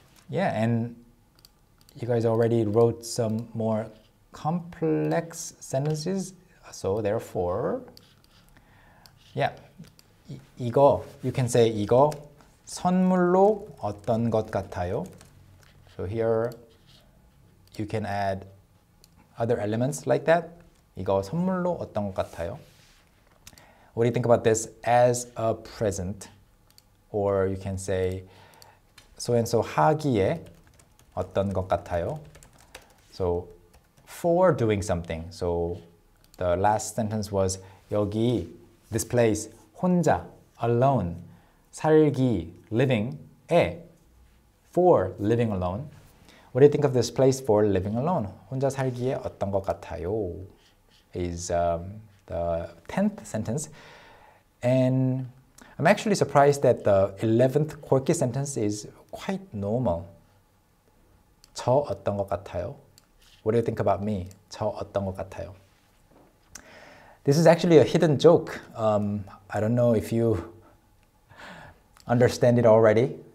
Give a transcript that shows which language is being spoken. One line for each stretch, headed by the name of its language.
English: Yeah, and you guys already wrote some more complex sentences, so therefore, yeah, 이거, you can say
Korean: 이거 선물로 어떤 것 같아요?
English: So here, you can add other elements like that.
Korean: 이거 선물로 어떤 것 같아요?
English: What do you think about this as a present? Or you can say so-and-so
Korean: 하기에 어떤 것 같아요?
English: So, for doing something. So, the last sentence was 여기, this place, 혼자, alone, 살기, living에, for living alone. What do you think of this place for living alone?
Korean: 혼자 살기에 어떤 것 같아요?
English: Is the 10th sentence. And I'm actually surprised that the 11th quirky sentence is quite normal.
Korean: 저 어떤 것 같아요?
English: What do you think about me?
Korean: 저 어떤 것 같아요?
English: This is actually a hidden joke. I don't know if you understand it already.